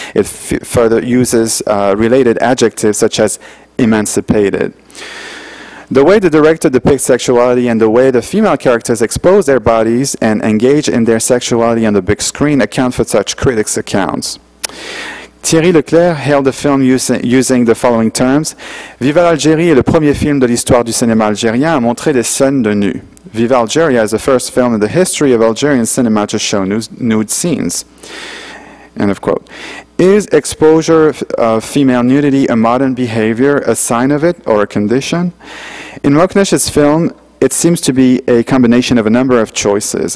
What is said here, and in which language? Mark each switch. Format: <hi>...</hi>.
<en>It further uses related adjectives such as emancipated. The way the director depicts sexuality and the way the female characters expose their bodies and engage in their sexuality on the big screen account for such critics' accounts. Thierry Leclerc hailed the film using the following terms.</en> <fr>Viva l'Algérie est le premier film de l'histoire du cinéma algérien à montrer des scènes de nu.</fr> <en>Viva Algeria is the first film in the history of Algerian cinema to show nude scenes. End of quote. Is exposure of female nudity a modern behavior, a sign of it, or a condition? In Mokhnesh's film, it seems to be a combination of a number of choices.</en>